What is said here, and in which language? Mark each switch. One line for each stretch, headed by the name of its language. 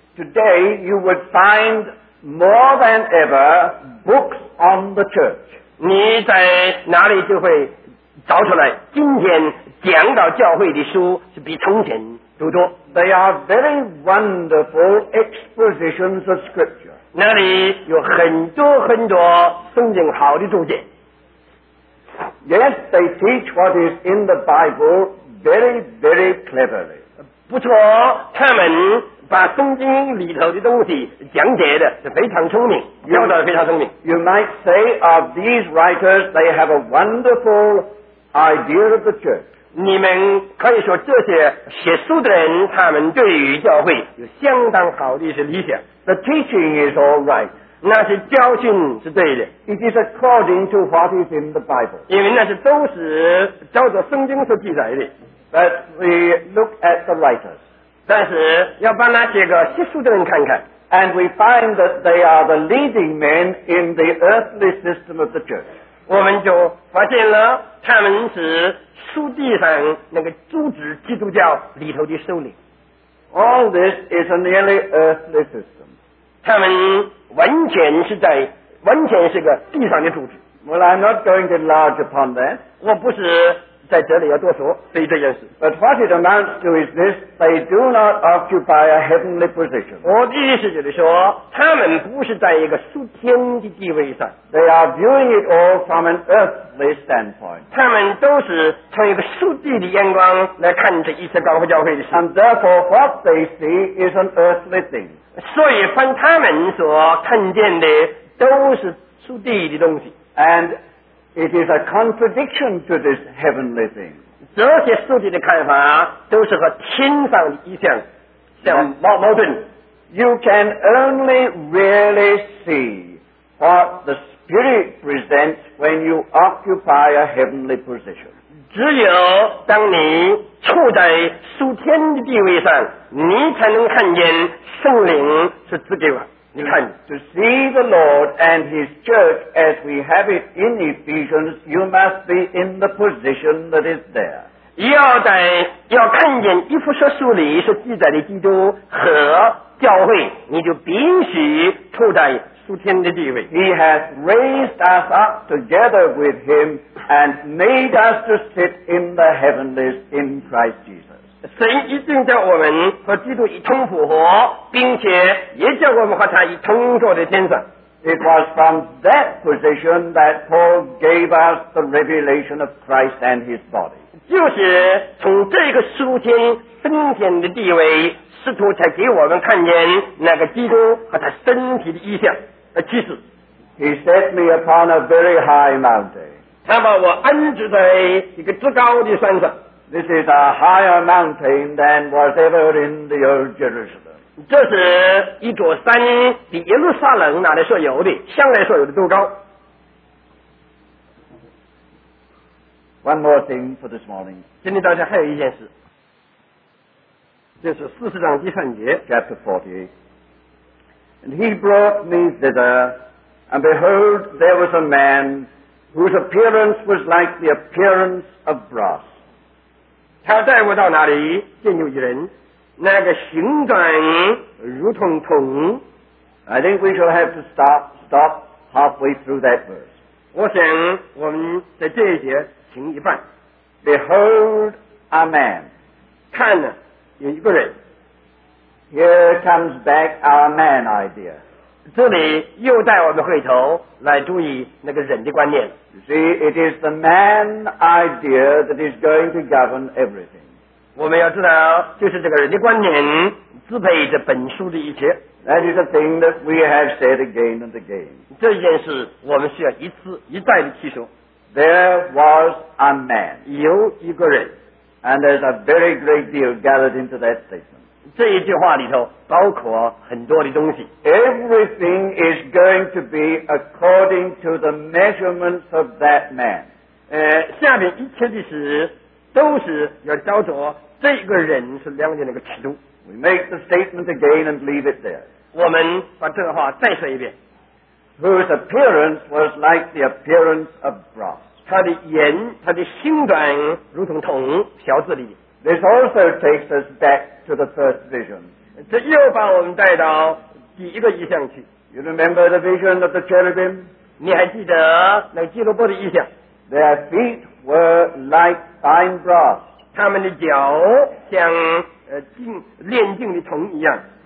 English: today you would find more than ever books on the church.
Chinese: 你在哪里就会找出来今天讲到教会的书是比从前读多。
English: They are very wonderful expositions of scripture.
Chinese: 那里有很多很多圣经好的注解。
English: Yes, they teach what is in the Bible very, very cleverly.
Chinese: 不错，他们把圣经里头的东西讲解的是非常聪明，表达的非常聪明。
English: You might say of these writers, they have a wonderful idea of the church.
Chinese: 你们可以说这些写书的人他们对于教会有相当好的一些理想。
English: The teaching is all right.
Chinese: 那些教训是对的。
English: It is according to what is in the Bible.
Chinese: 因为那些都是照着圣经所记载的。
English: But we look at the writers.
Chinese: 但是要把那些个写书的人看看。
English: And we find that they are the leading men in the earthly system of the church.
Chinese: 我们就发现了他们是书地上那个组织基督教里头的首领。
English: All this is a nearly earthly system.
Chinese: 他们完全是在完全是个地上的组织。
English: Well, I'm not going to enlarge upon that.
Chinese: 我不是在这里要多说对这件事。
English: But what it amounts to is this, they do not occupy a heavenly position.
Chinese: 我的意思就是说他们不是在一个属天的地位上。
English: They are viewing it all from an earthly standpoint.
Chinese: 他们都是从一个属地的眼光来看这一次高峰教会的事。
English: And therefore what they see is an earthly thing.
Chinese: 所以凡他们所看见的都是属地的东西。
English: And it is a contradiction to this heavenly thing.
Chinese: 这些书籍的看法都是和天上的意象相矛盾。
English: You can only really see what the Spirit presents when you occupy a heavenly position.
Chinese: 只有当你处在属天的地位上，你才能看见圣灵是赐给我。你看
English: ，to see the Lord and His Church as we have it in Ephesians, you must be in the position that is there.
Chinese: 要看见以弗所书里是记载的基督和教会，你就必须处在属天的地位。
English: He has raised us up together with Him and made us to sit in the heavenlies in Christ Jesus.
Chinese: 神一定叫我们和基督一同复活，并且也叫我们和他一同坐在天上。
English: It was from that position that Paul gave us the revelation of Christ and His body.
Chinese: 就是从这个属天升天的地位，使徒才给我们看见那个基督和他身体的意象和启示。
English: He set me upon a very high mountain.
Chinese: 他把我安置在一个至高的山上。
English: This is a higher mountain than was ever in the old Jerusalem.
Chinese: 这是一座山，比耶路撒冷哪里所有的，向来所有的都高。
English: One more thing for this morning.
Chinese: 今天大家还有一件事，这是四十章第三节
English: ，Chapter 48. And he brought me thither, and behold, there was a man whose appearance was like the appearance of brass.
Chinese: 他带我到哪里，见有一人，那个形状如同铜。
English: I think we shall have to stop halfway through that verse.
Chinese: 我想我们在这一节停一半。
English: Behold a man.
Chinese: 看呢，有一个人。
English: Here comes back our man idea.
Chinese: 这里又带我们回头来注意那个人的观念。
English: You see, it is the man idea that is going to govern everything.
Chinese: 我们要知道，就是这个人的观念支配着本书的一切。
English: That is the thing that we have said again and again.
Chinese: 这件事我们需要一次一再的提醒。
English: There was a man.
Chinese: 有一个人。
English: And there's a very great deal gathered into that statement.
Chinese: 这一句话里头包括很多的东西。
English: Everything is going to be according to the measurements of that man.
Chinese: 下面一切的事都是要照着这个人是量的那个尺度。
English: We make the statement again and leave it there.
Chinese: 我们把这个话再说一遍。
English: Whose appearance was like the appearance of brass.
Chinese: 他的眼，他的形状如同铜，瓢子里。
English: This also takes us back to the first vision.
Chinese: 这又把我们带到第一个意象去。
English: You remember the vision of the cherubim?
Chinese: 你还记得那基路伯的意象？
English: Their feet were like fine brass.
Chinese: 他们的脚像炼净的铜一样。